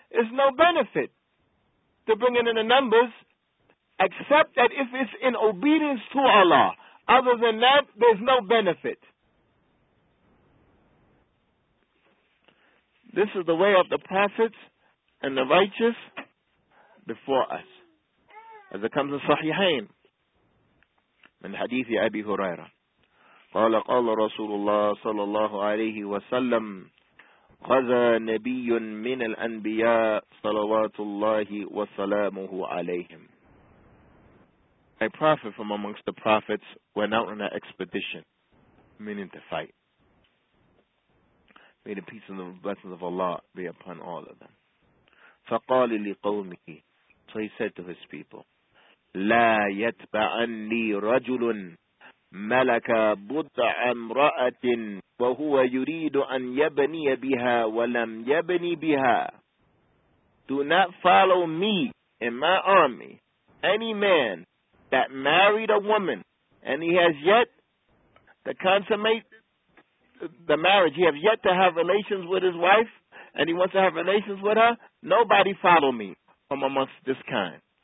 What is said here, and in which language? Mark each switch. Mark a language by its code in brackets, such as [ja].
[en] There's no benefit to bring it in the numbers, except that if it's in obedience to Allah. Other than that, there's no benefit. This is the way of the prophets and the righteous before us. As it comes in Sahihain, in Hadith Abi Huraira, [ar] قَالَ قَالَ رَسُولُ اللَّهِ صَلَى اللَّهُ عَلَيْهِ وَسَلَّمُ غزا نبي من الأنبياء صلوات الله وسلامه عليهم. [en] A prophet from amongst the prophets went out on an expedition, meaning to fight. May the peace and the blessings of Allah be upon all of them. [ar] فَقَالِ لِقَوْمِهِ. [en] So he said to his people, [ar] لَا يَتْبَعَنِّي رَجُلٌ مَلَكَ بُضْعَ امْرَأَةٍ وَهُوَ يُرِيدُ أَنْ يَبْنِيَ بِهَا وَلَمْ يَبْنِي بِهَا. [en] Do not follow me in my army, any man that married a woman and he has yet to consummate the marriage, he has yet to have relations with his wife and he wants to have relations with her, nobody follow me from amongst this kind.